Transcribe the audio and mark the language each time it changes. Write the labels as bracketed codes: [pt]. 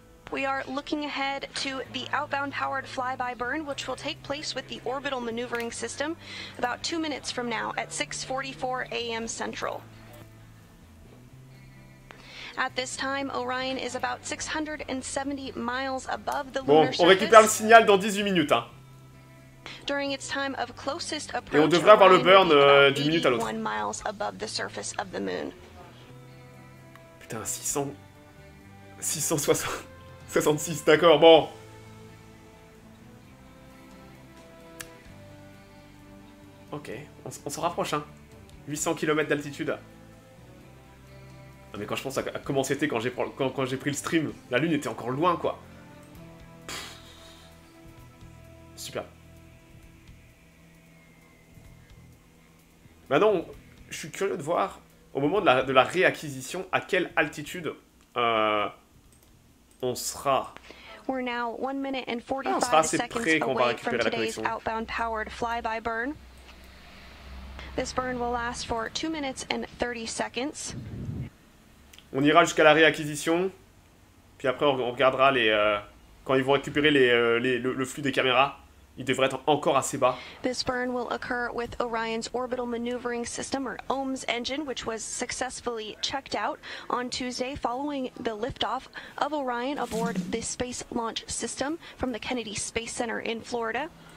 [en] We are looking ahead to the outbound powered flyby burn, which will take place with the orbital maneuvering system about 2 minutes from now at 6:44 a.m. Central. At this time, Orion is about 670 miles above the lunar surface. [fr] Bon, on récupère le signal dans 18 minutes, hein. [en] During its time of closest approach, [fr] et on devrait avoir le burn d'une minute à l'autre. [en] Miles above the surface of the moon. [fr] Putain, 666, d'accord, bon. Ok, on s'en rapproche, hein. 800 km d'altitude. Mais quand je pense à comment c'était quand j'ai pris le stream, la lune était encore loin, quoi. Pff. Super. Maintenant, je suis curieux de voir, au moment de la réacquisition, à quelle altitude on sera. [en] We're now 1 minute and 45 seconds away from today's outbound powered flyby burn. This burn will last for 2 minutes and 30 seconds. [fr] On ira jusqu'à la réacquisition, puis après on regardera les quand ils vont récupérer le flux des caméras. Il devrait être encore assez bas. [en] This burn will occur with Orion's orbital maneuvering system, or OMS engine, which was successfully checked out on Tuesday following the liftoff of Orion aboard the Space Launch System from the Kennedy Space Center in Florida.